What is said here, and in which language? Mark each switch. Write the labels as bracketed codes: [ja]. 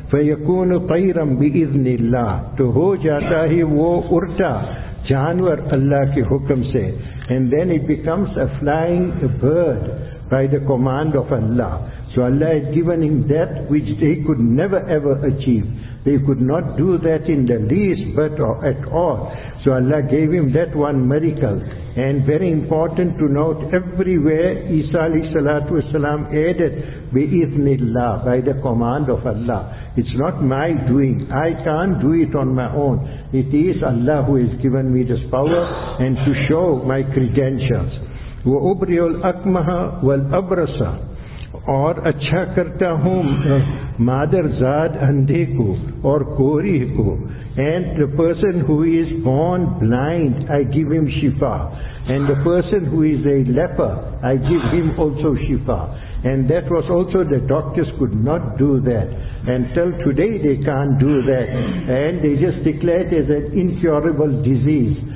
[ar] فیکون طیرم باذن اللہ, [ur] تو ہو جاتا ہے وہ اڑتا جانور اللہ کے حکم سے. [en] And then it becomes a flying bird by the command of Allah. So Allah had given him that which they could never ever achieve. They could not do that in the least, but or at all. So Allah gave him that one miracle. And very important to note, everywhere Isa alayhi salatu wasalam added, bi-ithnillah, by the command of Allah. It's not my doing. I can't do it on my own. It is Allah who has given me this power and to show my credentials. [ar] وَأُبْرِيُ الْأَكْمَهَ وَالْأَبْرَسَ, [ur] اور اچھا کرتا ہوں مادر زاد اندھے کو اور کوری کو. [en] And the person who is born blind, I give him shifa. And the person who is a leper, I give him also shifa. And that was also, the doctors could not do that. Until today they can't do that. And they just declare it as an incurable disease.